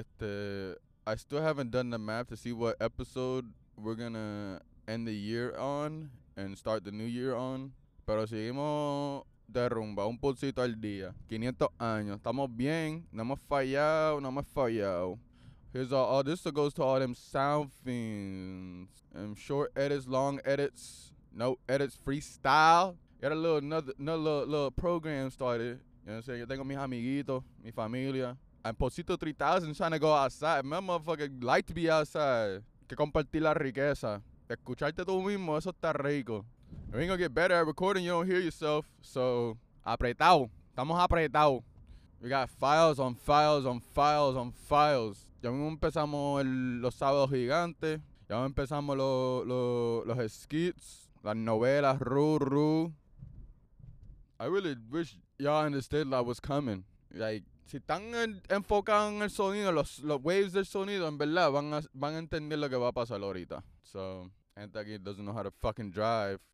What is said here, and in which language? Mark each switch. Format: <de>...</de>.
<en>I still haven't done the math to see what episode we're gonna end the year on. And start the new year on.</en> <es>Pero seguimos de rumba, un pocito al día. 500 años. Estamos bien. No hemos fallado.</es> <en>Here's all this goes to all them sound fiends. And short edits, long edits. No edits, freestyle. Got a little program started. You know what I'm saying?</en> <es>Tengo mis amiguitos, mi familia.</es> <en>And pocito 3000 trying to go outside. My motherfucker like to be outside.</en> <es>Que compartir la riqueza. Escucharte tú mismo, eso está rico.</es> <en>We ain't gonna get better at recording, you don't hear yourself. So,</en> <es>apretado. Estamos apretado.</es> <en>We got files on files on files on files.</en> <es>Ya mismo empezamos los sábados gigantes. Ya empezamos los skits. Las novelas, ru.</es> <en>I really wish y'all understood that was coming.</en> <es>Like, si están enfocados en el sonido, los waves del sonido, en verdad, van a entender lo que va a pasar ahorita.</es> <en>So, Antaki doesn't know how to fucking drive.</en>